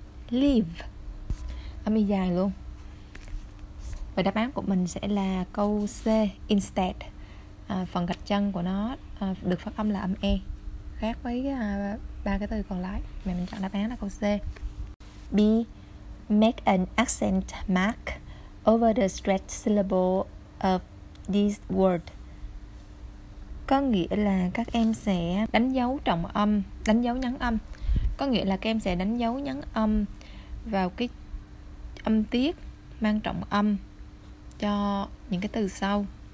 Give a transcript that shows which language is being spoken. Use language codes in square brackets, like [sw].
[vi] Leave, âm y dài luôn. Và đáp án của mình sẽ là câu C, instead. Phần gạch chân của nó được phát âm là âm E, khác với ba cái từ còn lại. Mà mình chọn đáp án là câu C. B. [en] Make an accent mark over the stretched syllable of this word. [vi] Có nghĩa là các em sẽ đánh dấu trọng âm, đánh dấu nhấn âm. Có nghĩa là các em sẽ đánh dấu nhấn âm vào cái âm tiết mang trọng âm cho những cái từ sau.